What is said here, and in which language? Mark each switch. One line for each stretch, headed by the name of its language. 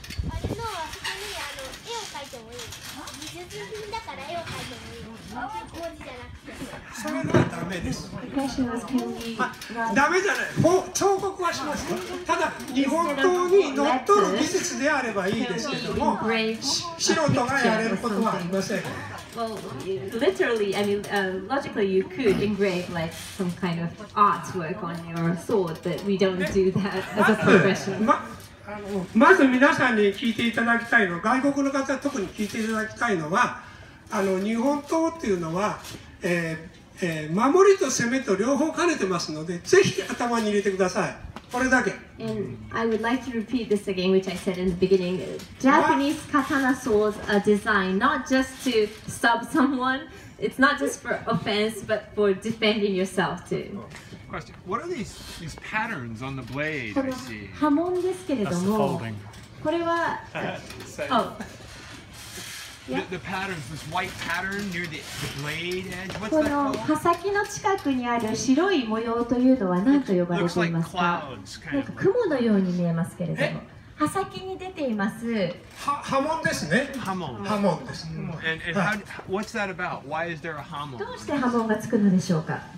Japanese: あれのはそこに絵を描いてもいい。美術品だから絵を描いてもいい。工事じゃなくて。それはダメです。ダメじゃない。彫刻はします。ただ日本刀に乗っ取る技術であればいいですけども、素人がやれることはありません。
English: Well, literally, I mean, logically, you could engrave like some kind of artwork on your sword, but we don't do that as a profession.
Japanese: まず皆さんに聞いていただきたいの、外国の方特に聞いていただきたいのは、日本刀っていうのは、守りと攻めと両方兼ねてますので、ぜひ頭に入れてください。これだけ。
English: And I would like to repeat this again, which I said in the beginning. Japanese katana swords are designed not just to stab someone. It's not just for offense, but for defending yourself too. Question: What are these patterns on the blade? I see.
Japanese: 刃文ですけれども。
English: That's the folding.
Japanese: これは。
English: Yeah. The patterns, this white pattern near the blade edge. What's that called?
Japanese: この刃先の近くにある白い模様というのは何と呼ばれていますか？なんか雲のように見えますけれども、刃先に出ています。刃文ですね。刃文です。
English: And how, what's that about? Why is there a 刃文？
Japanese: どうして刃文がつくのでしょうか？